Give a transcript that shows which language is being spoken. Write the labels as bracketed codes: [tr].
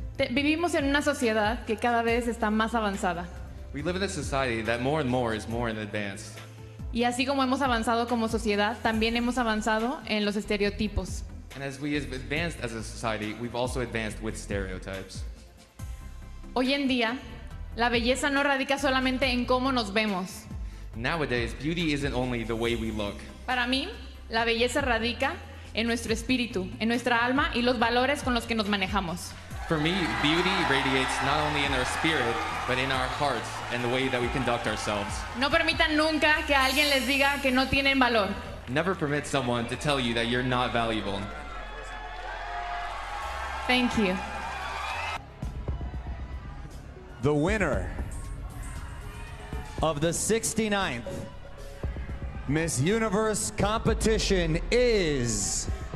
[es] Vivimos en una sociedad que cada vez está más avanzada. [en] We live in a society that more and more is more advanced. [es] Y así como hemos avanzado como sociedad, también hemos avanzado en los estereotipos. [en] And as we have advanced as a society, we've also advanced with stereotypes. [es] Hoy en día, la belleza no radica solamente en cómo nos vemos. [en] Nowadays, beauty isn't only the way we look. [es] Para mí, la belleza radica en nuestro espíritu, en nuestra alma y los valores con los que nos manejamos. [en] For me, beauty radiates not only in our spirit, but in our hearts and the way that we conduct ourselves. [es] No permitan nunca que alguien les diga que no tienen valor. [en] Never permit someone to tell you that you're not valuable. Thank you. The winner of the 69th Miss Universe competition is